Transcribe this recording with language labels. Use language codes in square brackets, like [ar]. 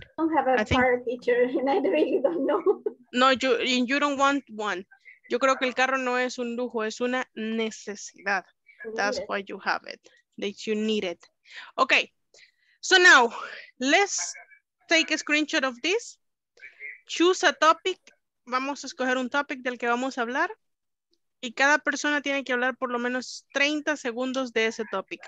[en] I don't have a car teacher and I really don't know. No, you don't want one. [es] Yo creo que el carro no es un lujo, es una necesidad. [en] That's why you have it, that you need it. Okay. So now, let's take a screenshot of this. Choose a topic. [es] Vamos a escoger un topic del que vamos a hablar. Y cada persona tiene que hablar por lo menos 30 segundos de ese topic.